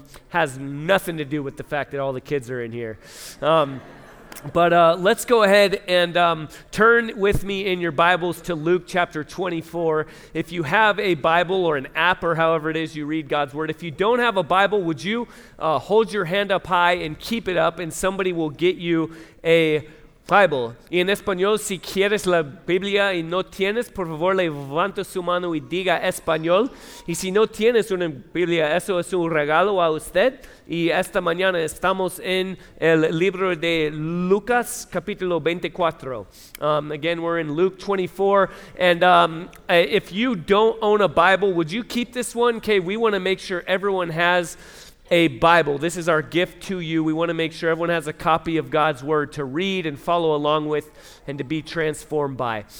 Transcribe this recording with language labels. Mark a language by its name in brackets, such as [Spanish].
[English] Has nothing to do with the fact that all the kids are in here. Let's go ahead and turn with me in your Bibles to Luke chapter 24. If you have a Bible or an app or however it is you read God's Word, if you don't have a Bible, would you hold your hand up high and keep it up, and somebody will get you a Bible. [Spanish] Y en español, si quieres la Biblia y no tienes, por favor, levanta su mano y diga español. Y si no tienes una Biblia, eso es un regalo a usted. Y esta mañana estamos en el libro de Lucas, capítulo 24. [English] Again, we're in Luke 24. And if you don't own a Bible, would you keep this one? Okay, we want to make sure everyone has a Bible. This is our gift to you. We want to make sure everyone has a copy of God's Word to read and follow along with and to be transformed by.